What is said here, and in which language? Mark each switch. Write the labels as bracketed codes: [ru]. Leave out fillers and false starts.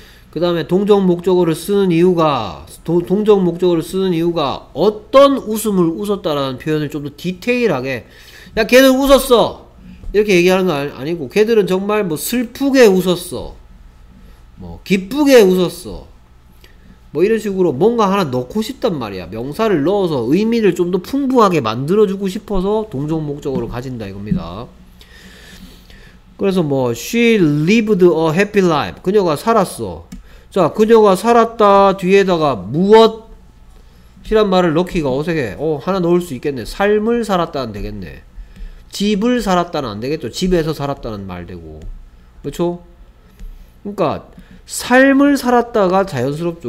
[ko] 그 다음에 동정 목적어를 쓰는 이유가 동정 목적어를 쓰는 이유가 어떤 웃음을 웃었다라는 표현을 좀 더 디테일하게 야 걔는 웃었어 이렇게 얘기하는 거 아니고 걔들은 정말 뭐 슬프게 웃었어 뭐 기쁘게 웃었어 뭐 이런 식으로 뭔가 하나 넣고 싶단 말이야. 명사를 넣어서 의미를 좀 더 풍부하게 만들어주고 싶어서 동종 목적으로 가진다 이겁니다. 그래서 뭐 [en] she lived a happy life. [ko] 그녀가 살았어. 자 그녀가 살았다 뒤에다가 무엇이란 말을 넣기가 어색해. 어 하나 넣을 수 있겠네. 삶을 살았다는 되겠네. 집을 살았다는 안 되겠죠. 집에서 살았다는 말 되고. 그렇죠? 그러니까 삶을 살았다가 자연스럽죠.